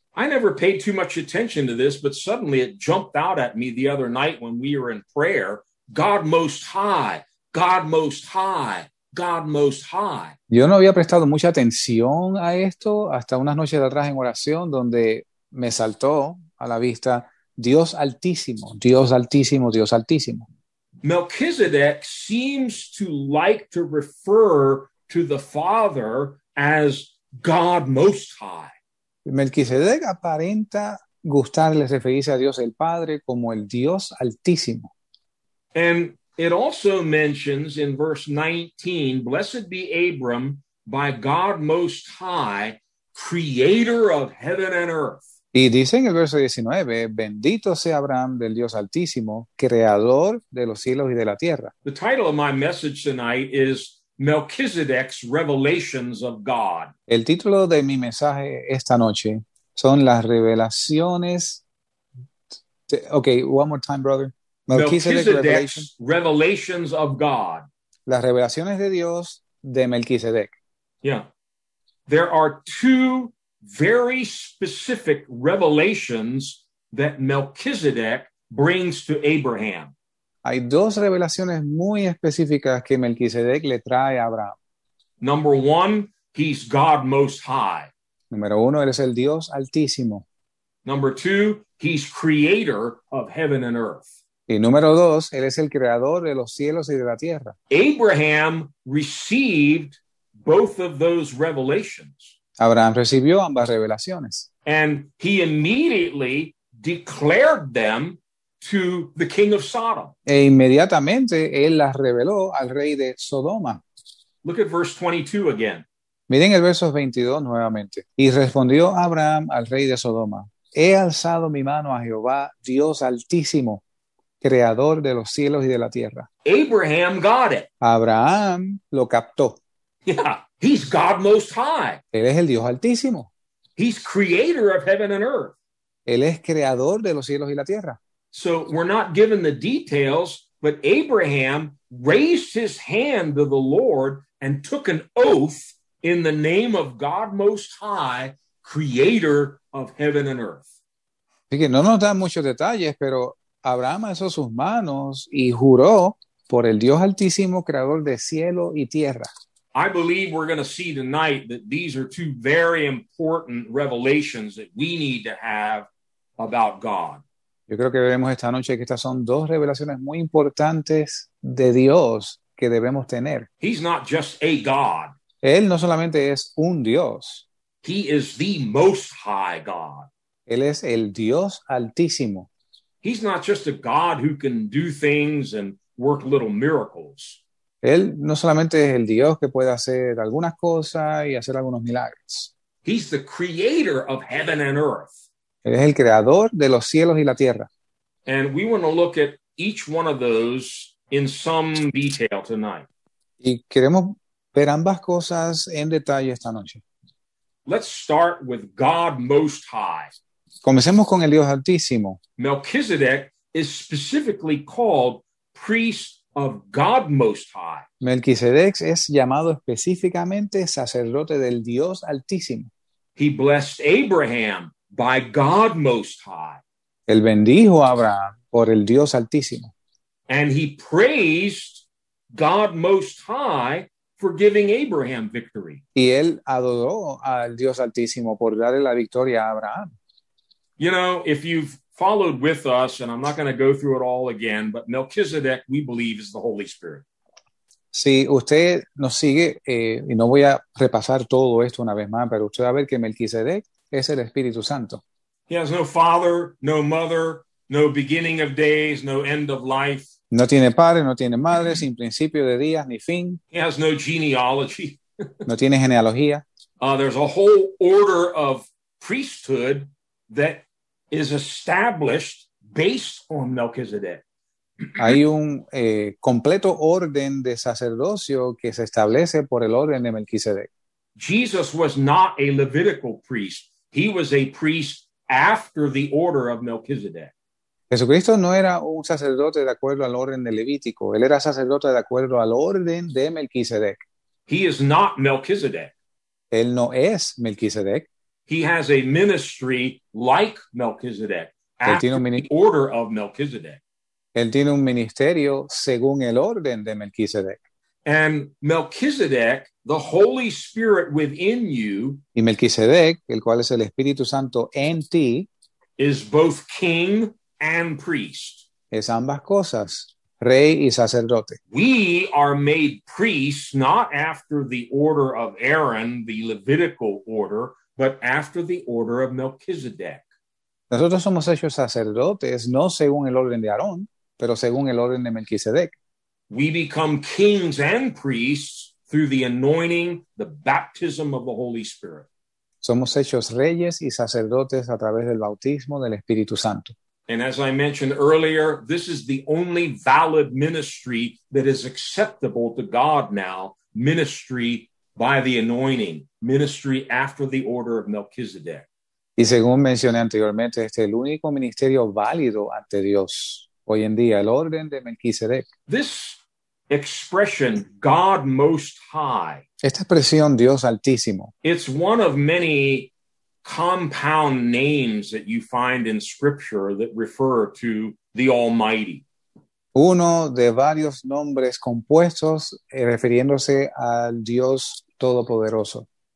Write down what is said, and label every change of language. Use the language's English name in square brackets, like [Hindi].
[English] I never paid too much attention to this, but suddenly it jumped out at me the other night when we were in prayer. God Most High, God Most High, God Most High. [Spanish] Yo no había prestado mucha atención a esto hasta unas noches de atrás en oración, donde me saltó a la vista Dios Altísimo, Dios Altísimo, Dios Altísimo. [English] Melchizedek seems to like to refer to the Father as God Most High. [Spanish] Melchizedek aparenta gustarle referirse a Dios el Padre como el Dios Altísimo. [English] And it also mentions in verse 19, blessed be Abram by God Most High, creator of heaven and earth. [Spanish] Y dice en el verso 19, bendito sea Abraham del Dios Altísimo, creador de los cielos y de la tierra. [English] The title of my message tonight is Melchizedek's Revelations of God. [Spanish] El título de mi mensaje esta noche son las revelaciones. [English] Okay, one more time, brother. Melchizedek's revelations of God. [Spanish] Las revelaciones de Dios de Melquisedec. [English] Yeah. There are two very specific revelations that Melchizedek brings to Abraham. [Spanish] Hay dos revelaciones muy específicas que Melquisedec le trae a Abraham. [English] Number one, he's God Most High. [Spanish] Número uno, él es el Dios Altísimo. [English] Number two, he's creator of heaven and earth. [Spanish] Y número dos, él es el creador de los cielos y de la tierra. [English] Abraham received both of those revelations. [Spanish] Abraham recibió ambas revelaciones. [English] And he immediately declared them to the king of Sodom. [Spanish] E inmediatamente él las reveló al rey de Sodoma. [English] Look at verse 22 again. [Spanish] Miren el verso 22 nuevamente. Y respondió Abraham al rey de Sodoma. He alzado mi mano a Jehová, Dios Altísimo, creador de los cielos y de la tierra. [English] Abraham got it. [Spanish] Abraham lo captó. [English] Yeah. He's God Most High. [Spanish] Él es el Dios Altísimo. [English] He's creator of heaven and earth. [Spanish] Él es creador de los cielos y la tierra. [English] So we're not given the details, but Abraham raised his hand to the Lord and took an oath in the name of God Most High, creator of heaven and earth. [Spanish] Así que no nos dan muchos detalles, pero Abraham alzó sus manos y juró por el Dios Altísimo, creador de cielo y tierra. [English] I believe we're going to see tonight that these are two very important revelations that we need to have about God. [Spanish] Yo creo que veremos esta noche que estas son dos revelaciones muy importantes de Dios que debemos tener. [English] He's not just a God. [Spanish] Él no solamente es un Dios. [English] He is the most high God. [Spanish] Él es el Dios Altísimo. [English] He's not just a God who can do things and work little miracles. [Spanish] Él no solamente es el Dios que puede hacer algunas cosas y hacer algunos milagros. [English] He's the creator of heaven and earth. [Spanish] Él es el creador de los cielos y la tierra. [English] And we want to look at each one of those in some detail tonight. [Spanish] Y queremos ver ambas cosas en detalle esta noche. [English] Let's start with God Most High. [Spanish] Comencemos con el Dios Altísimo. [English] Melchizedek is specifically called priest of God Most High. [Spanish] Melquisedec es llamado específicamente sacerdote del Dios Altísimo. [English] He blessed Abraham by God Most High. [Spanish] Él bendijo a Abraham por el Dios Altísimo. [English] And he praised God Most High for giving Abraham victory. [Spanish] Y él adoró al Dios Altísimo por darle la victoria a Abraham. [English] You know, if you've followed with us, and I'm not going to go through it all again, but Melchizedek, we believe, is the Holy Spirit. [Spanish] Si usted nos sigue, y no voy a repasar todo esto una vez más, pero usted va a ver que Melchizedek es el Espíritu Santo. [English] He has no father, no mother, no beginning of days, no end of life. [Spanish] No tiene padre, no tiene madre, sin principio de días, ni fin. [English] He has no genealogy. [Spanish] No tiene genealogía. [English] There's a whole order of priesthood that is established based on Melchizedek. [Spanish] Hay un completo orden de sacerdocio que se establece por el orden de Melchizedek. [English] Jesus was not a Levitical priest. He was a priest after the order of Melchizedek. [Spanish] Jesucristo no era un sacerdote de acuerdo al orden de Levítico. Él era sacerdote de acuerdo al orden de Melchizedek. [English] He is not Melchizedek. [Spanish] Él no es Melchizedek. [English] He has a ministry like Melchizedek, the order of Melchizedek. [Spanish] Él tiene un ministerio según el orden de Melchizedek. [English] And Melchizedek, the Holy Spirit within you, [Spanish] y Melchizedek, el cual es el Espíritu Santo en ti, [English] is both king and priest. [Spanish] Es ambas cosas, rey y sacerdote. [English] We are made priests not after the order of Aaron, the Levitical order, but after the order of Melchizedek. [Spanish] Nosotros somos hechos sacerdotes, no según el orden de Aarón, pero según el orden de Melchizedek. [English] We become kings and priests through the anointing, the baptism of the Holy Spirit. [Spanish] Somos hechos reyes y sacerdotes a través del bautismo del Espíritu Santo. [English] And as I mentioned earlier, this is the only valid ministry that is acceptable to God now, ministry by the anointing, ministry after the order of Melchizedek. [Spanish] Y según mencioné anteriormente, este es el único ministerio válido ante Dios hoy en día, el orden de Melchizedek. [English] This expression, God Most High, [Spanish] esta expresión, Dios Altísimo, [English] it's one of many compound names that you find in Scripture that refer to the Almighty. [Spanish] Uno de varios nombres compuestos refiriéndose al Dios Todopoderoso.